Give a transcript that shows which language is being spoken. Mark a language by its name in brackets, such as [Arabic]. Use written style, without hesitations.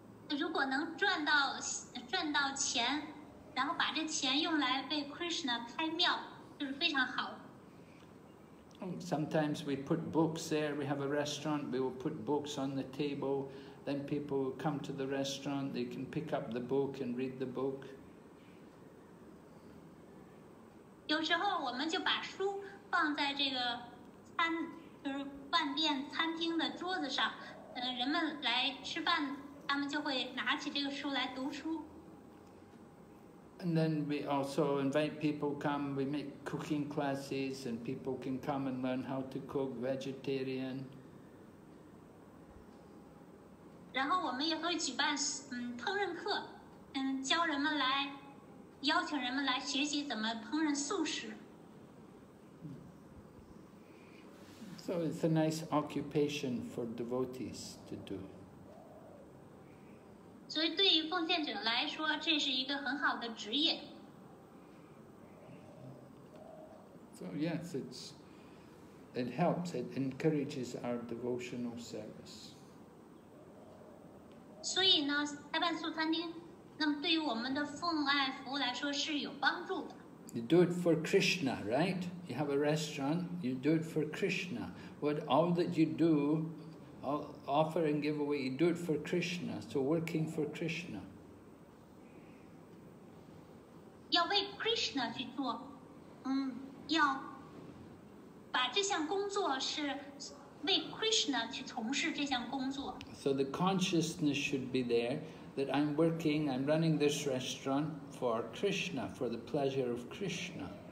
[Chinese] 如果能赚到钱，然后把这钱用来为 Krishna 开庙，就是非常好。 [English] Sometimes we put books there. We have a restaurant. We will put books on the table. Then people will come to the restaurant. They can pick up the book and read the book. [Chinese] 有时候我们就把书放在这个餐。就是饭店餐厅的桌子上，人们来吃饭，他们就会拿起这个书来读书。 [English] And then we also invite people come. We make cooking classes, and people can come and learn how to cook vegetarian. [Chinese] 然后我们也会举办烹饪课，教人们来，邀请人们来学习怎么烹饪素食。 [English] So it's a nice occupation for devotees to do. [Chinese] 所以对于奉献者来说，这是一个很好的职业。 [English] So yes, it helps. It encourages our devotional service. [Chinese] 所以呢，开办素餐厅，那么对于我们的奉爱服务来说是有帮助的。 [English] Yeah. You do it for Krishna, right? You have a restaurant, you do it for Krishna. What all that you do, all, offer and give away, you do it for Krishna. So working for Krishna. So the consciousness should be there that I'm working, I'm running this restaurant for Krishna, for the pleasure of Krishna.